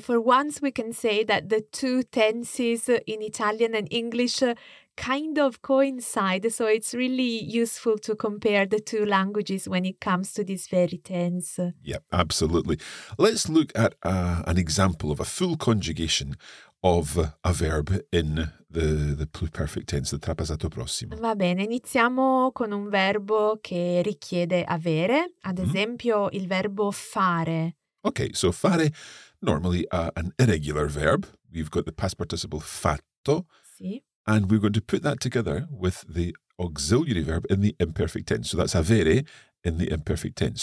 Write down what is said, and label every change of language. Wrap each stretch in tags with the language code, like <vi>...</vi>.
<en>For once we can say that the two tenses in Italian and English kind of coincide, so it's really useful to compare the two languages when it comes to this very tense. Yeah, absolutely. Let's look at an example of a full conjugation of a verb in the pluperfect tense, the trapassato prossimo.</en> <it>Va bene, iniziamo con un verbo che richiede avere, ad esempio il verbo fare.</it> <en>Okay, so fare, normally an irregular verb. We've got the past participle fatto.</en> <it>Sì.</it> <en>And we're going to put that together with the auxiliary verb in the imperfect tense. So that's avere in the imperfect tense.</en>